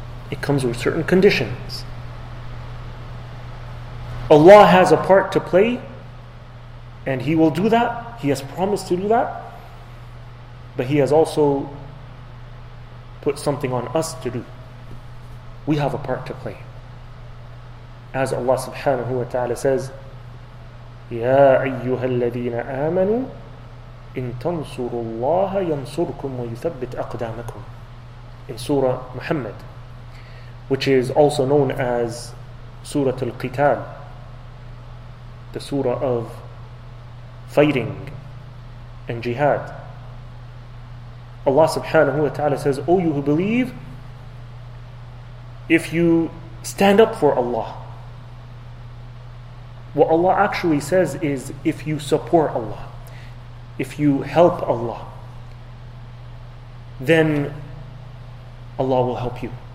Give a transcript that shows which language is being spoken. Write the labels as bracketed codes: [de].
[en] It comes with certain conditions. Allah has a part to play, and He will do that. He has promised to do that. But He has also put something on us to do. We have a part to play. As Allah subhanahu wa ta'ala says, [ar] يَا أَيُّهَا الَّذِينَ آمَنُوا إِن تَنْصُرُوا اللَّهَ يَنْصُرْكُمْ وَيُثَبِّتْ أَقْدَامَكُمْ. [en] In Surah Muhammad, which is also known as Surah Al-Qital, the Surah of fighting and jihad. Allah subhanahu wa ta'ala says, O you who believe, if you stand up for Allah, what Allah actually says is, if you support Allah, if you help Allah, then Allah will help you.